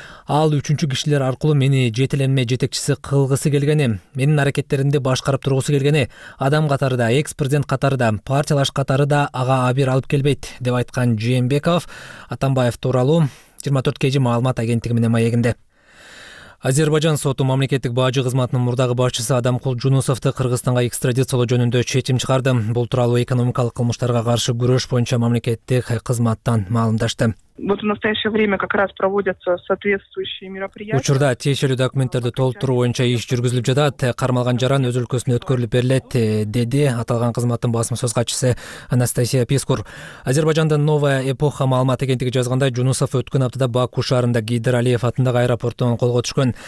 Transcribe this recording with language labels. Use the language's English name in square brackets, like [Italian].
[Kyrgyz] Ал үчүнчү кишилер аркылуу мени жетеленме жетекчиси кылгысы келгени, менин аракеттеримди башкарып тургусу келгени, адам катары да, экс-президент катары да, партиялаш катары да ага абир алып келбейт деп айткан Жээнбеков Атамбаев тууралуу 24KG маалымат агенттиги менен маегинде. Азербайжан соту мамлекеттик бажы кызматынын мурдагы башчысы Адамкул Жунусовду Кыргызстанга экстрадициялоо жөнүндө чечим чыгарды. Бул тууралуу экономикалык кылмыштарга каршы күрөш боюнча мамлекеттик кызматтан маалымдашты. [Russian] Вот в настоящее время как раз проводятся соответствующие мероприятия. [Kyrgyz] Учурда тиешелүү документтерди толтуруу боюнча иш жүргүзүлүп жатат. Кармалган жаран өз өлкөсүнө өткөрүлүп берилет, деди аталган кызматтын басма сөз катчысы Анастасия Пискур. Азербайжандын Новая эпоха маалымат агенттиги жазганда, Жунусов өткөн аптада Баку шаарында Гейдер Алиев атындагы аэропорттон колго түшкөн.